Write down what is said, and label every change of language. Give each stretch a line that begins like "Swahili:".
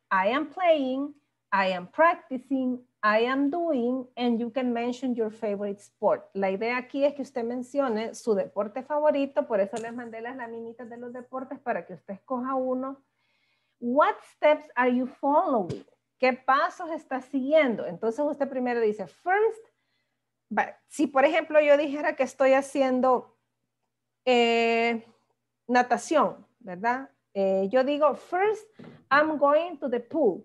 English: I am playing, I am practicing, I am doing, and you can mention your favorite sport.
Spanish: La idea aquí es que usted mencione su deporte favorito, por eso les mandé las laminitas de los deportes para que usted escoja uno.
English: What steps are you following?
Spanish: ¿Qué pasos está siguiendo? Entonces usted primero dice, first, si por ejemplo yo dijera que estoy haciendo natación, ¿verdad? Yo digo,
English: first, I'm going to the pool.